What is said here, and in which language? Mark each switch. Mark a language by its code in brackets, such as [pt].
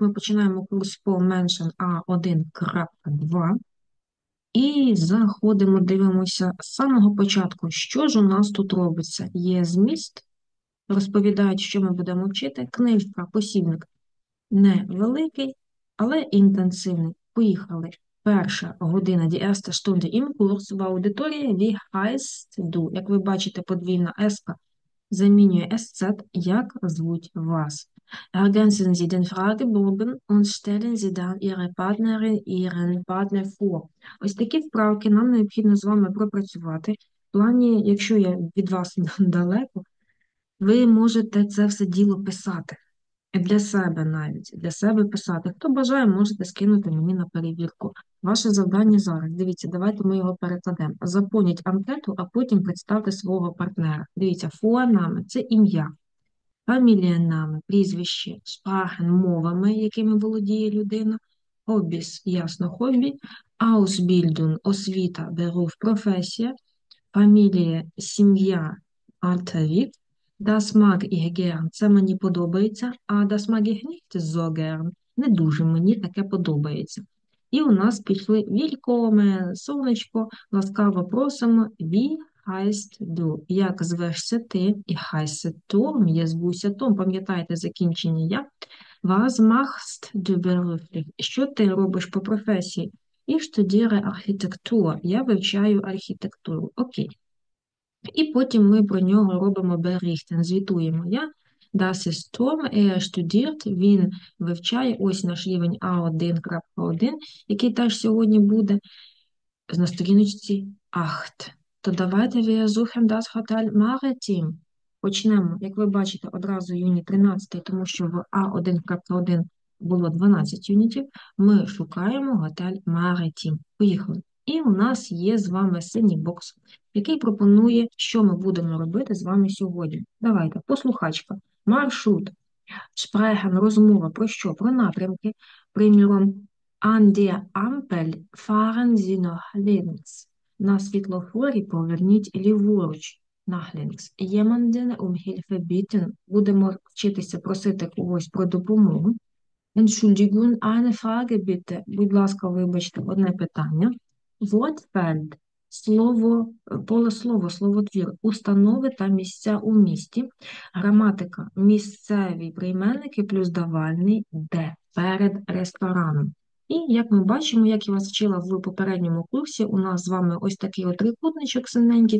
[uk] Ми починаємо курс по меншин А1.2 і заходимо, дивимося з самого початку, що ж у нас тут робиться. Є зміст, розповідають, що ми будемо вчити. Книжка, посібник невеликий, але інтенсивний. Поїхали. Перша година, [de] die erste Stunde im Kurs [uk] в аудиторії, [de] wie heißt du? [uk] Як ви бачите, подвійна еска. Замінює SZ, як звуть вас. [de] Ergänzen Sie den Fragebogen und stellen Sie dann Ihre Partnerin, Ihren Partner vor. [uk] Ось такі вправки нам необхідно з вами пропрацювати. В плані, якщо я від вас далеко, ви можете це все діло писати. Для себе навіть, для себе писати. Хто бажає, можете скинути мені на перевірку. Ваше завдання зараз. Дивіться, давайте ми його перекладемо. Заповніть анкету, а потім представте свого партнера. Дивіться, Vorname – це ім'я. Familienname – прізвище, Sprachen – мовами, якими володіє людина. Hobbies – ясно, хобі. Ausbildung – освіта, Beruf – професія. Familie – сім'я, Alter – вік. [de] Das mag ich gern. [uk] Це мені подобається. [de] А das mag ich nicht so gern. [uk] Не дуже мені таке подобається. І у нас пішли Willkommen, сонечко. Ласкаво просимо. [de] Wie heißt du? [uk] Як звешся ти? І heißt Tom. Я звуся Tom. Пам'ятаєте закінчення я? [de] Was machst du beruflich? [uk] Що ти робиш по професії? [de] Ich studiere Architektur. [uk] Я вивчаю архітектуру. Окей. І потім ми про нього робимо berichten, звітуємо. Я, [de] das ist Tom, er studiert, [uk] він вивчає, ось наш рівень А1.1, який теж сьогодні буде на сторіночці 8. То давайте [de] wir suchen das Hotel Maritim. [uk] Почнемо, як ви бачите, одразу юніт 13, тому що в А1.1 було 12 юнітів. Ми шукаємо готель Maritim. Поїхали. І у нас є з вами синій бокс, який пропонує, що ми будемо робити з вами сьогодні. Давайте, послухачка. Маршрут. Шпреген, розмова про що? Про напрямки. Приміром, [de] an der Ampel fahren Sie nach links. [uk] На світлофорі поверніть ліворуч. [de] Nach links. Jemanden um Hilfe bitten. [uk] Будемо вчитися просити когось про допомогу. [de] Entschuldigung, eine Frage bitte. [uk] Будь ласка, вибачте, одне питання. Wortfeld – слово, поле слово, словотвір, установи та місця у місті. Граматика – місцеві прийменники плюс давальний «де» перед рестораном. І, як ми бачимо, як я вас вчила в попередньому курсі, у нас з вами ось такий от трикутничок синенький.